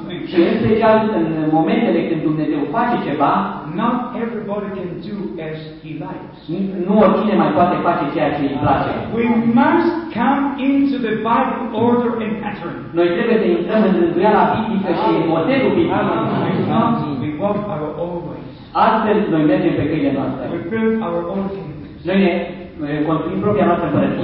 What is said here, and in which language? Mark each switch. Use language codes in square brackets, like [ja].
[ro] Și în special în momentele când Dumnezeu face ceva, [en] not everybody can do as he likes. [ro] Nu oricine mai poate face ceea ce îi place. [en] We must come into the Bible order and pattern. [ro] Noi trebuie să intrăm în rânduiala biblică și în modelul biblic. [en] We walk our own way. [ro] Astfel noi mergem pe căile noastre. [en] We build our own kingdoms. [ro] Noi ne construim propria noastră împărăție.